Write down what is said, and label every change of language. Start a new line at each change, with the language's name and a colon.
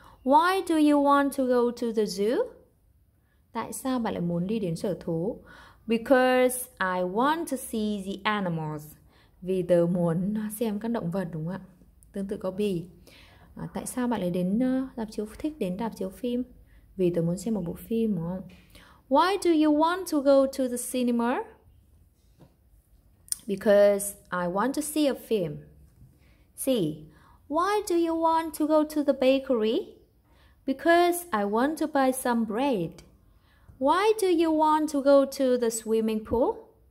English: Why do you want to go to the zoo?
Vietnamese: Tại sao bạn lại muốn đi đến sở thú?
English: Because I want to see the animals.
Vietnamese: Vì tớ muốn xem các động vật đúng không ạ? Tương tự câu B. Tại sao bạn lại đến rạp chiếu phim? Vì tớ muốn xem một bộ phim đúng không?
English: Why do you want to go to the cinema? Because I want to see a film. C. Why do you want to go to the bakery? Because I want to buy some bread. Why do you want to go to the swimming pool?